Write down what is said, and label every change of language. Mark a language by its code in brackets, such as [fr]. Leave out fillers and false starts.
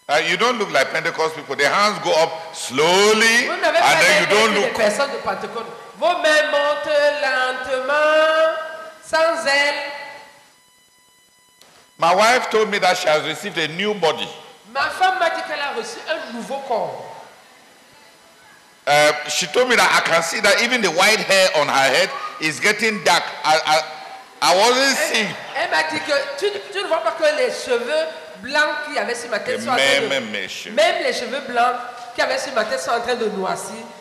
[en] You don't look like Pentecost people. Their hands go up slowly, and then you don't look. [fr] Vous n'avez pas l'air comme les personnes de Pentecôte. Vos mains montent lentement, sans zèle. [en] My wife told me that she has received a new body. [fr] Ma femme m'a dit qu'elle a reçu un nouveau corps. [en] She told me that I can see that even the white hair on her head is getting dark. I wasn't seeing. [fr] Elle m'a dit que tu ne vois pas que les cheveux blancs qui avaient sur ma tête sont en train de même les cheveux blancs qui avaient sur ma tête sont en train de noircir.